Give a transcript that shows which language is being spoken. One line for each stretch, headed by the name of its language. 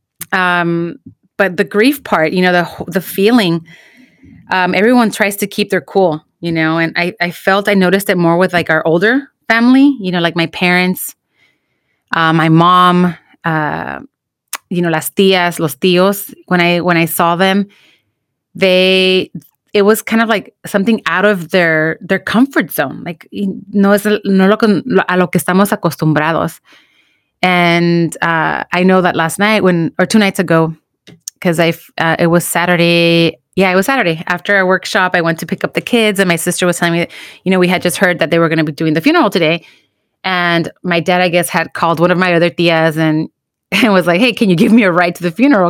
English: But the grief part, you know, the feeling, everyone tries to keep their cool, you know, and I felt I noticed it more with like our older family, you know, like my parents, my mom, you know,
Spanish: las tías, los tíos,
English: when I saw them, it was kind of like something out of their comfort zone.
Spanish: Like, no es no lo, a lo que estamos acostumbrados.
English: And I know that last night two nights ago, because it was Saturday. Yeah, it was Saturday. After our workshop, I went to pick up the kids. And my sister was telling me that, you know, we had just heard that they were going to be doing the funeral today. And my dad, I guess, had called one of my other tías and was like, hey, can you give me a ride to the funeral?